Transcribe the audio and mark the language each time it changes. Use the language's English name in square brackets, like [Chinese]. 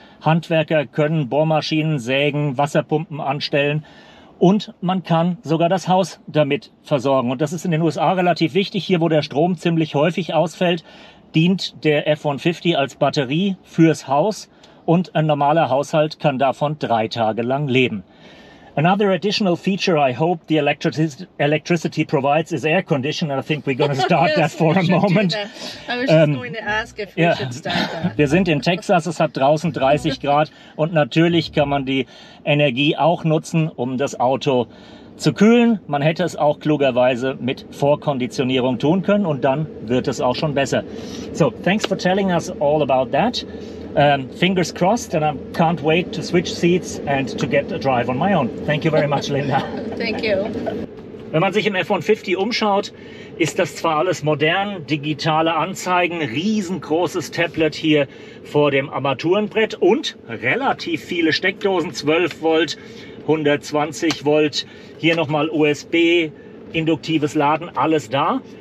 [German] Handwerker können Bohrmaschinen, Sägen, Wasserpumpen anstellen und man kann sogar das Haus damit versorgen. Und das ist in den USA relativ wichtig, hier wo der Strom ziemlich häufig ausfällt, dient der F-150 als Batterie fürs Haus. Und ein normaler Haushalt kann davon 3 Tage lang leben. [English] Another additional feature I hope the electricity provides is air condition. And I think we're going to start that for a moment. I was just going to ask if we should start that. [German] Wir sind in Texas, es hat draußen 30 Grad. Und natürlich kann man die Energie auch nutzen, um das Auto zu kühlen. Man hätte es auch klugerweise mit Vorkonditionierung tun können. Und dann wird es auch schon besser. [English] So, thanks for telling us all about that. Fingers crossed, and I can't wait to switch seats and to get a drive on my own. Thank you very much, Linda. Thank you. [German] Wenn man sich im F-150 umschaut, ist das zwar alles modern, digitale Anzeigen, riesengroßes Tablet hier vor dem Armaturenbrett und relativ viele Steckdosen, 12 Volt, 120 Volt, hier nochmal USB, induktives Laden, alles da.